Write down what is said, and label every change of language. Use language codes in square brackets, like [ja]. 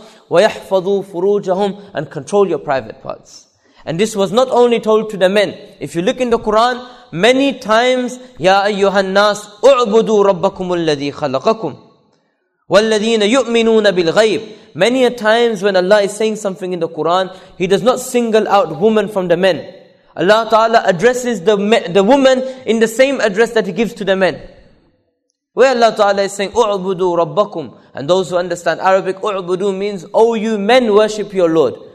[ar] وَيَحْفَظُوا فُرُوجَهُمْ [en] and control your private parts. And this was not only told to the men. If you look in the Quran, many times, [ar] يَا أَيُّهَا النَّاسُ اُعْبُدُوا رَبَّكُمُ الَّذِي خَلَقَكُمْ وَالَّذِينَ يُؤْمِنُونَ بِالْغَيْبِ. [en] Many a times when Allah is saying something in the Quran, He does not single out women from the men. Allah Ta'ala addresses the woman in the same address that He gives to the men. Where Allah Ta'ala is saying, U'budu Rabbakum. And those who understand Arabic, U'budu means, O you men, worship your Lord.